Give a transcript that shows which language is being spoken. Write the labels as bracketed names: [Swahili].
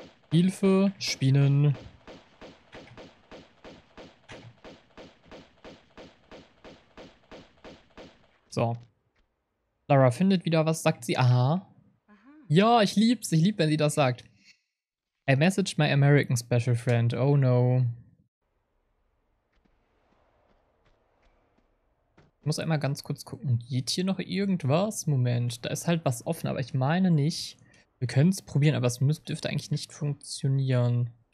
[German] Hilfe, Spinnen. So. Lara findet wieder was, sagt sie. Aha. Ja, ich lieb's. Ich lieb, wenn sie das sagt. [English] I messaged my American special friend. Oh no. [German] Ich muss einmal ganz kurz gucken. Geht hier noch irgendwas? Moment, da ist halt was offen, aber ich meine nicht. Wir können es probieren, aber es dürfte eigentlich nicht funktionieren.